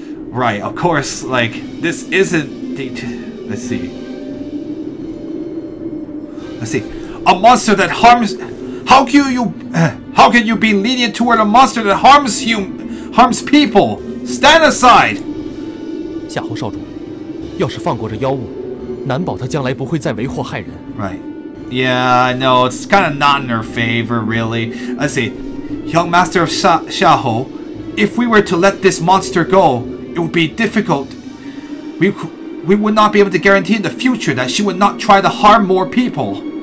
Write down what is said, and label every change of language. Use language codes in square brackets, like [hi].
[en] Right, of course. Like this isn't the. Let's see. A monster that harms. How can you? How can you be lenient toward a monster that harms people? Stand aside! [zh] 夏侯少主，要是放过这妖物，难保他将来不会再为祸害人。 [en] Right. Yeah, I know. It's kind of not in her favor, really. I see. Young Master of Xiaho, if we were to let this monster go, it would be difficult. We would not be able to guarantee in the future that she would not try to harm more people.